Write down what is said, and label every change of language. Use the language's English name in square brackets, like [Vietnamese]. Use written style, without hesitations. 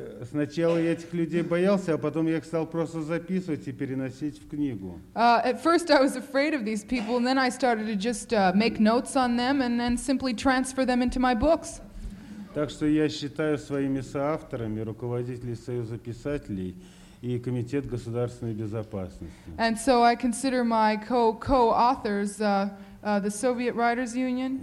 [Russian] Сначала я этих людей боялся, а потом я их стал просто записывать и переносить в книгу. [English] At first I was afraid of these people, and then I started to just make notes on them and then simply transfer them into my books. [Russian] Так что я считаю своими соавторами руководителей Союза писателей и Комитет государственной безопасности. [English] And so I consider my co-authors the Soviet Writers Union,